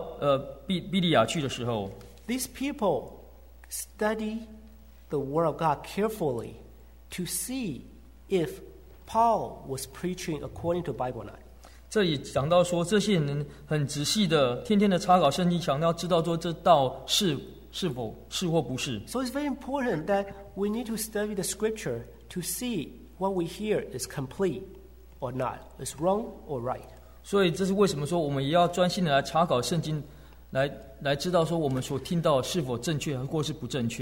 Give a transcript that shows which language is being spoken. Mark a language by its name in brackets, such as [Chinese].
[Chinese] 这里讲到说，当福音传到比利亚去的时候， [English] these people study the word of God carefully to see if Paul was preaching according to the Bible or not. [Chinese] 这里讲到说，这些人很仔细的天天的查考圣经，强调知道说这道是。是否是或不是? [English] So it's very important that we need to study the scripture to see what we hear is complete or not, is wrong or right. [Chinese] 所以这是为什么说我们也要专心的来查考圣经，来知道说我们所听到是否正确或是不正确。